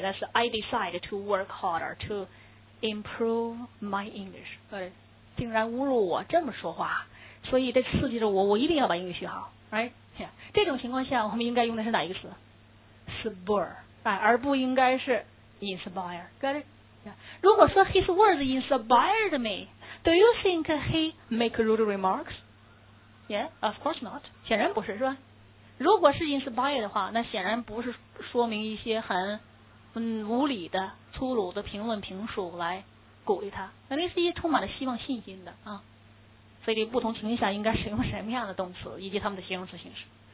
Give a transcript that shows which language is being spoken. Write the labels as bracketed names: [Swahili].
[English] That's I decide to work harder to improve my English. [Chinese] 竟然侮辱我这么说话，所以这刺激着我，我一定要把英语学好。 [English] Right? Yeah. [Chinese] 这种情况下我们应该用的是哪一个词？ [English] Spur. [Chinese] 而不应该是 [English] inspire. Got it? [Chinese] 如果说 [English] his words inspired me, do you think he make rude remarks? Yeah, of course not. [Chinese] 显然不是，是吧？如果是 inspired 的话，那显然不是说明一些很无理的、粗鲁的评论评述来鼓励他，那是一些充满了希望、信心的啊。所以这不同情况下应该使用什么样的动词以及他们的形容词形式？